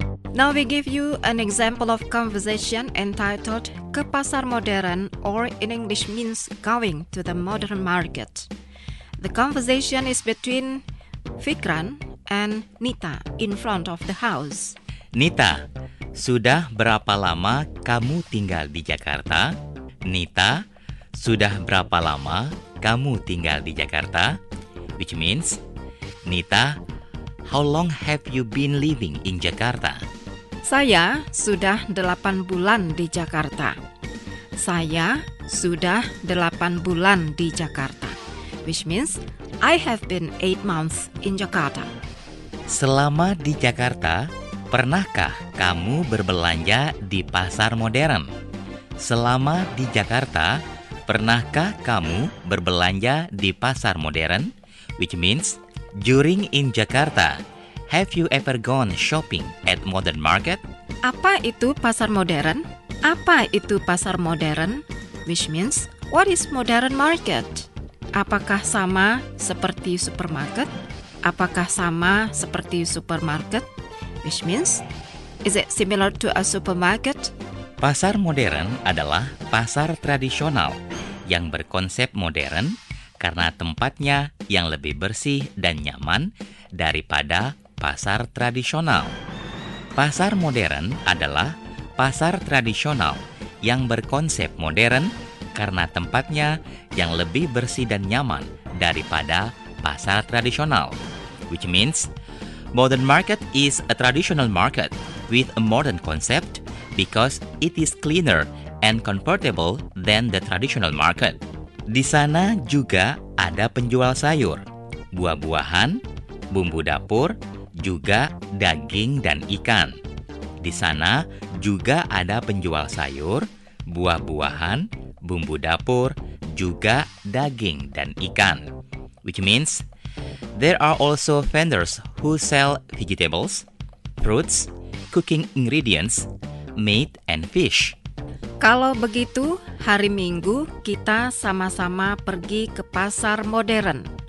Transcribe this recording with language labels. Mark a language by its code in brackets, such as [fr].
[en] Now we give you an example of conversation entitled Ke Pasar Modern, or in English means going to the modern market. The conversation is between Fikran and Nita in front of the house. [id] Nita, sudah berapa lama kamu tinggal di Jakarta? Nita, sudah berapa lama kamu tinggal di Jakarta? [en] Which means, Nita, how long have you been living in Jakarta? [id] Saya sudah 8 bulan di Jakarta. Saya sudah 8 bulan di Jakarta. [en] which means I have been 8 months in Jakarta. [id] Selama di Jakarta, pernahkah kamu berbelanja di pasar modern? Selama di Jakarta, pernahkah kamu berbelanja di pasar modern? [en] Which means, during in Jakarta, have you ever gone shopping at modern market? [id] Apa itu pasar modern? Apa itu pasar modern? [en] Which means, what is modern market? [id] Apakah sama seperti supermarket? Apakah sama seperti supermarket? [en] Which means, is it similar to a supermarket? [id] Pasar modern adalah pasar tradisional yang berkonsep modern karena tempatnya yang lebih bersih dan nyaman daripada pasar tradisional. Pasar modern adalah pasar tradisional yang berkonsep modern karena tempatnya yang lebih bersih dan nyaman daripada pasar tradisional. [en] Which means, modern market is a traditional market with a modern concept because it is cleaner and comfortable than the traditional market. [id] Di sana juga ada penjual sayur, buah-buahan, bumbu dapur, juga daging dan ikan. Di sana juga ada penjual sayur, buah-buahan, bumbu dapur, juga daging dan ikan. [en] Which means, there are also vendors who sell vegetables, fruits, cooking ingredients, meat and fish. [id] Kalau begitu, hari Minggu kita sama-sama pergi ke pasar modern.